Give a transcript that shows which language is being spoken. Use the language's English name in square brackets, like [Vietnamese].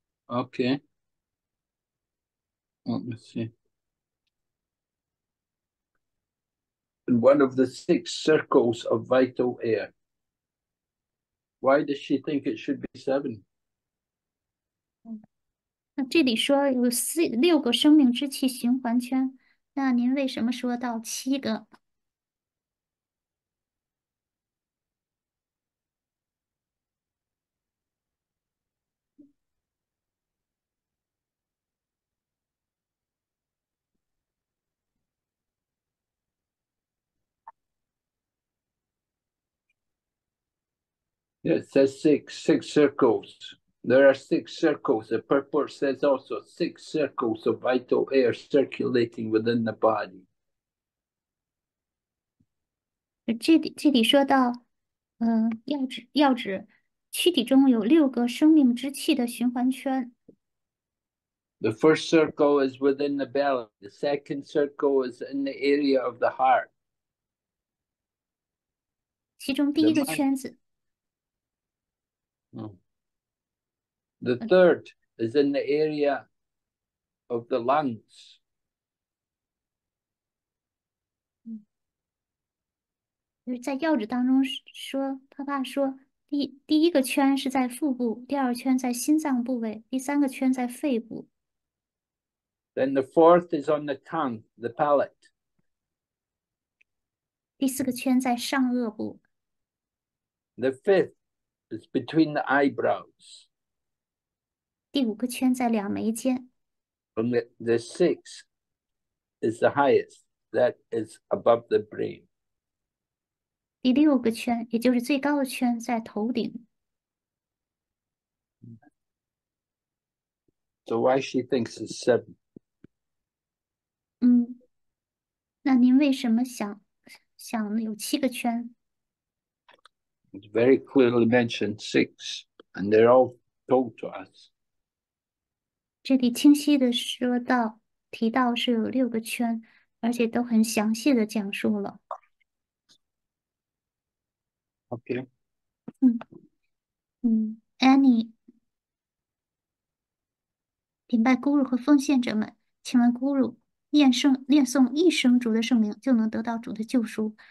[English] Okay. Let me see. One of the six circles of vital air. Why does she think it should be seven? [Chinese] 那这里说有6个生命之气循环圈，那您为什么说到七个？ [English] It says six circles. There are six circles. The purport says also six circles of vital air circulating within the body. [Chinese] 这里说到，要指躯体中有六个生命之气的循环圈。 [English] The first circle is within the belly. The second circle is in the area of the heart. [Chinese] 其中第 [English] The [Chinese] 一个 [English] mind. [Chinese] 圈子， [English] The third is in the area of the lungs. [Chinese] 就是在要旨当中说，他爸说，第一个圈是在腹部，第二圈在心脏部位，第三个圈在肺部。 [English] Then the fourth is on the tongue, the palate. [Chinese] 第四个圈在上颚部。 [English] The fifth is between the eyebrows. [Chinese] 第五个圈在两眉间， [English] And the sixth is the highest, that is above the brain. [Chinese] 第六个圈，也就是最高的圈在头顶。 [English] So why she thinks it's seven? [Chinese] 那您为什么想有七个圈？ [English] It's very clearly mentioned six, and they're all told to us. [Chinese] 这里清晰的说到，提到是有六个圈，而且都很详细的讲述了。 [English] Okay. [Chinese] Annie，顶拜 Guru 和奉献者们，请问 Guru，念诵一声主的圣名就能得到主的救赎。